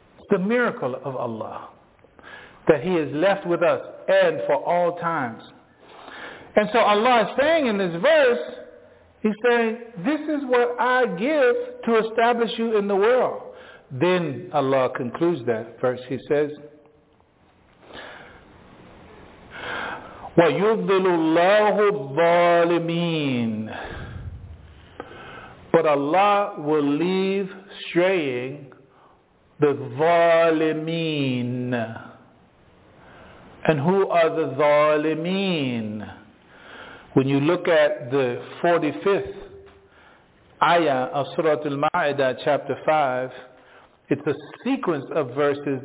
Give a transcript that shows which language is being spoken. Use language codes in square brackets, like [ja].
[en] The miracle of Allah that he has left with us and for all times. And so Allah is saying in this verse, he's saying, this is what I give to establish you in the world. Then Allah concludes that verse. He says, [ar] وَيُضِلُ اللَّهُ الظَّالِمِينَ. [en] But Allah will leave straying the ظالمين. And who are the ظالمين? When you look at the 45th ayah of Surah Al-Ma'idah, chapter 5, it's a sequence of verses.